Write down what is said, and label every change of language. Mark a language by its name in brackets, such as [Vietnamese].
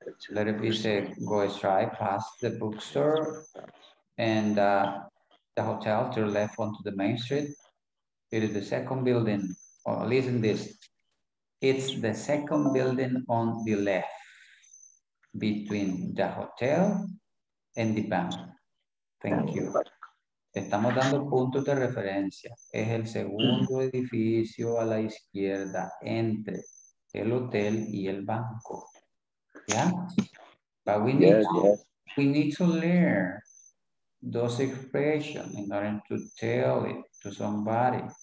[English] Let it be say, go straight past the bookstore and the hotel to the left onto the main street. It is the second building. Oh, listen this. It's the second building on the left between the hotel and the bank. Thank you. [Spanish] Estamos dando puntos de referencia. Es el segundo edificio a la izquierda entre el hotel y el banco. [English] Yeah? But we need to learn those expressions in order to tell it to somebody.